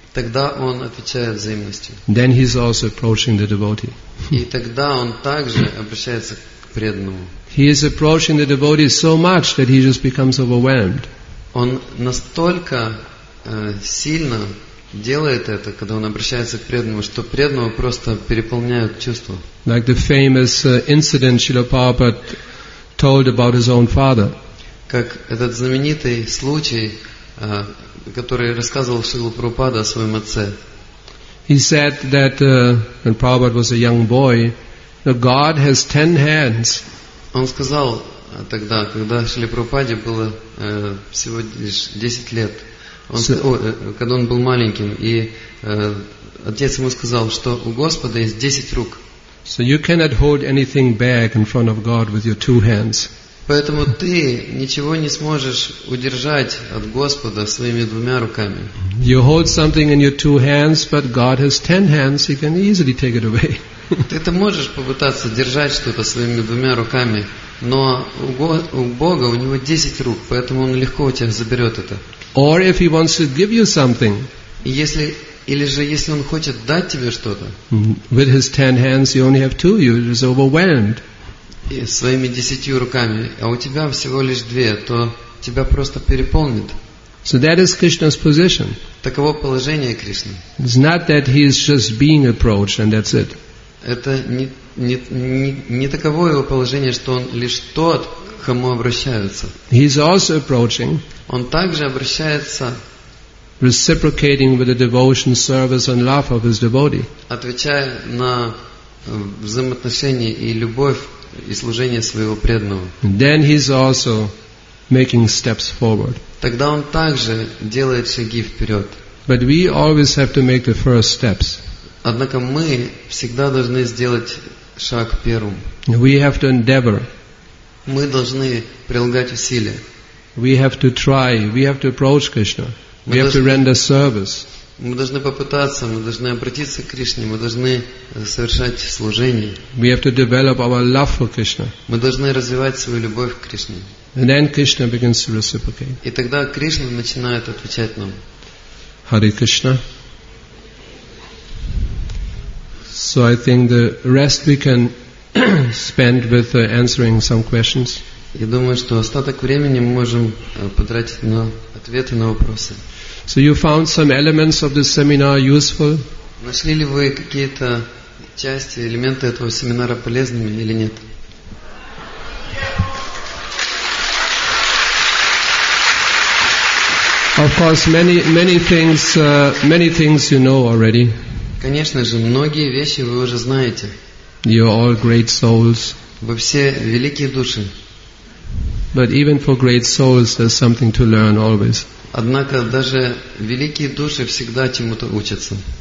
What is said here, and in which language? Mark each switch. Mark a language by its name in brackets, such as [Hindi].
[Russian] Тогда он отвечает взаимностью. [English] Then he's also approaching the devotee. [Russian] И тогда он также обращается к преданному. [English] He is approaching the devotee so much that he just becomes overwhelmed. [Russian] Он настолько сильно делает это, когда он обращается к преданному, что преданного просто переполняют чувства. [English] Like the famous incident Srila Prabhupada told about his own father. [Russian] Как этот знаменитый случай, который рассказывал Шрила Прабхупада о своем отце. [English] He said that when Prabhupada was a young boy, that God has 10 hands. [Russian] Он сказал тогда, когда Шрила Прабхупаде было всего лишь 10 лет, когда он был маленьким, и отец ему сказал, что у Господа есть 10 рук. [English] So you cannot hold anything back in front of God with your two hands. [Russian] Поэтому ты ничего не сможешь удержать от Господа своими двумя руками. [English] You hold something in your two hands, but God has 10 hands, he can easily take it away. [Russian] Ты-то можешь попытаться держать что-то своими двумя руками, но у Бога, у него 10 рук, поэтому он легко у тебя заберет это. [English] Or if he wants to give you something. [Russian] Или же если он хочет дать тебе что-то. [English] With his 10 hands, you only have 2. You're just overwhelmed. [Russian] своими десятью руками, а у тебя всего лишь две, то тебя просто переполнит. [English] So that is Krishna's position. [Russian] Таково положение Кришны. [English] It's not that he is just being approached and that's it. [Russian] Это не таково его положение, что он лишь тот, к кому обращаются. [English] He is also approaching. [Russian] Он также обращается. [English] Reciprocating with the devotion, service and love of his devotee. [Russian] Отвечая на взаимоотношения и любовь и служение своего преданного. [English] Then he is also making steps forward. [Russian] Тогда он также делает шаги вперед. [English] But we always have to make the first steps. [Russian] Однако мы всегда должны сделать шаг первым. [English] We have to endeavor. [Russian] Мы должны прилагать усилия. [English] We have to try. We have to approach Krishna. We have to render service. [Russian] Мы должны попытаться, мы должны обратиться к Кришне, мы должны совершать служение. [English] We have to develop our love for Krishna. [Russian] Мы должны развивать свою любовь к Кришне. [English] And then Krishna begins to reciprocate. [Russian] И тогда Кришна начинает отвечать нам. [English] Hare Krishna. So I think the rest we can spend with answering some questions. [Russian] Я думаю, что остаток времени мы можем потратить на ответы на вопросы. [English] So you found some elements of this seminar useful? [Russian] Нашли ли вы какие-то части, элементы этого семинара полезными или нет? [English] Of course, many things you know already. [Russian] Конечно же, многие вещи вы уже знаете. [English] You are all great souls. [Russian] Вы все великие души. [English] But even for great souls, there's something to learn always. [Russian] Однако даже великие души всегда чему-то учатся.